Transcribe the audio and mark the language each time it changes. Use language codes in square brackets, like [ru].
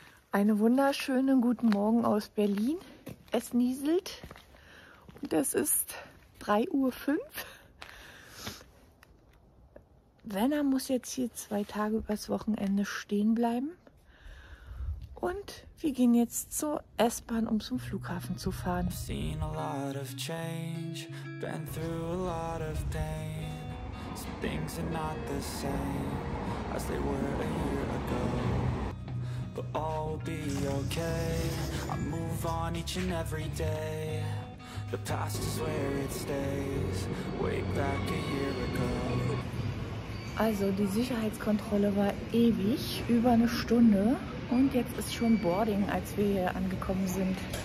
[de] Einen wunderschönen guten Morgen aus Berlin. Es nieselt und es ist 3.05 Uhr. Werner muss jetzt hier 2 Tage übers Wochenende stehen bleiben. Und wir gehen jetzt zur S-Bahn, um zum Flughafen zu fahren. [en] I've seen a lot of change, been through a lot of pain. Some things are not the same as they were a year ago. But all will be okay. I move on each and every day. The past is where it stays. Way back a year ago. [de] Also die Sicherheitskontrolle war ewig, über eine Stunde. Und jetzt ist schon Boarding, als wir hier angekommen sind.